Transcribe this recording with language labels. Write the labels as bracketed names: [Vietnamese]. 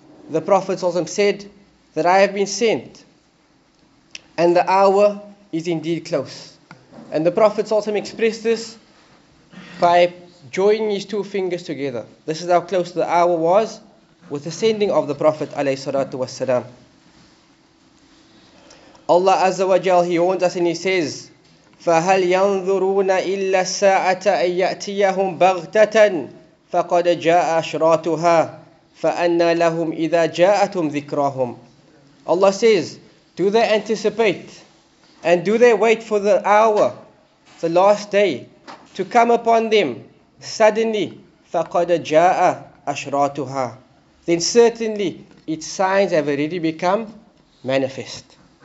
[English] The Prophet said that I have been sent and the hour is indeed close. And the Prophet expressed this by joining his two fingers together. This is how close the hour was with the sending of the Prophet alayhi salatu wasalam. [Arabic] Allah Azza wa Jal, [English] He warns us and He says, [Arabic] فَهَلْ يَنْظُرُونَ إِلَّا السَّاعَةَ أَنْ يَأْتِيَهُمْ بَغْتَةً فَقَدْ جَاءَ أَشْرَاطُهَا فَأَنَّ لَهُمْ إِذَا جَاءَتْهُمْ ذِكْرَاهُمْ. [English] Allah says, do they anticipate and do they wait for the hour, the last day, to come upon them suddenly? [Arabic] فَقَدْ جَاءَ أَشْرَاطُهَا. [English] Then certainly its signs have already become manifest.